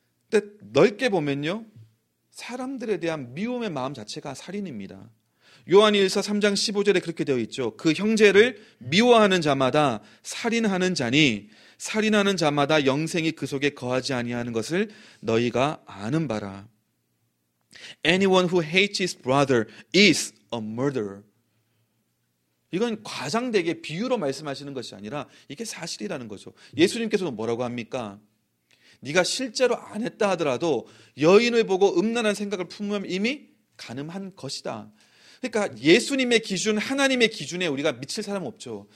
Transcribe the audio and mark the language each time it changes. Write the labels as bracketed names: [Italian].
[Korean] 근데 넓게 보면요, 사람들에 대한 미움의 마음 자체가 살인입니다. 요한일서 3장 15절에 그렇게 되어 있죠. 그 형제를 미워하는 자마다 살인하는 자니 살인하는 자마다 영생이 그 속에 거하지 아니하는 것을 너희가 아는 바라. [English] Anyone who hates his brother is a murderer. [Korean] 이건 과장되게 비유로 말씀하시는 것이 아니라 이게 사실이라는 거죠. 예수님께서는 뭐라고 합니까? 네가 실제로 안 했다 하더라도 여인을 보고 음란한 생각을 품으면 이미 가늠한 것이다. 그러니까 예수님의 기준, 하나님의 기준에 우리가 미칠 사람 없죠.